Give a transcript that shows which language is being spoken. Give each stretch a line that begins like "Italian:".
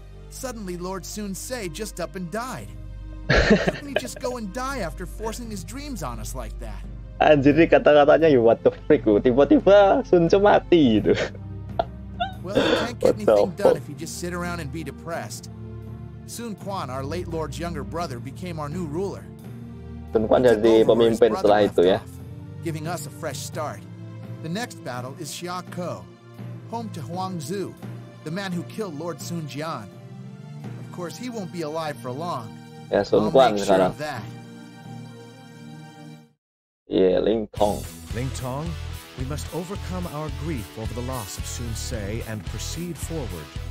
English: Suddenly Lord Sun Ce just up and died. He just go and die after forcing his dreams on us like that.
Indonesian: Anjir, kata-katanya
English: you what the freak,
Indonesian: tiba-tiba Sun Ce mati gitu.
English: Well, you can't get anything done if you just sit around and be depressed. Sun Quan, our late lord's younger brother, became our new ruler.
Indonesian: Sun Quan jadi pemimpin setelah itu ya.
English: Giving us a fresh start. The next battle is Xia Ko, home to Huang Zu, the man who killed Lord Sun Jian. Of course, he won't be alive for long.
Indonesian: Ya, Sun Quan sekarang.
English: Yeah, Ling Tong. Ling Tong, we must overcome our grief over the loss of Sun Ce and proceed forward.